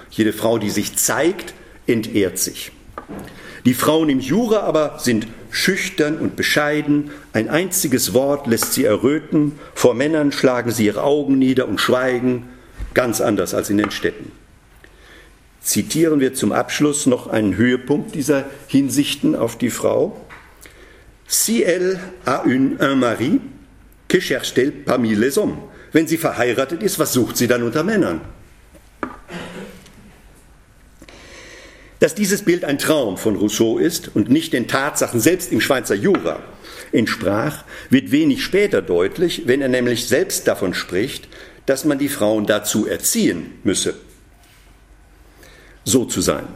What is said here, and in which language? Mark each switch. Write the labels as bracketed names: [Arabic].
[German] Jede Frau, die sich zeigt, entehrt sich. Die Frauen im Jura aber sind schüchtern und bescheiden. Ein einziges Wort lässt sie erröten. Vor Männern schlagen sie ihre Augen nieder und schweigen. Ganz anders als in den Städten. Zitieren wir zum Abschluss noch einen Höhepunkt dieser Hinsichten auf die Frau. [French] Si elle a un mari, que cherche-t-elle parmi les hommes? [German] Wenn sie verheiratet ist, was sucht sie dann unter Männern? Dass dieses Bild ein Traum von Rousseau ist und nicht den Tatsachen selbst im Schweizer Jura entsprach, wird wenig später deutlich, wenn er nämlich selbst davon spricht, dass man die Frauen dazu erziehen müsse, so zu sein.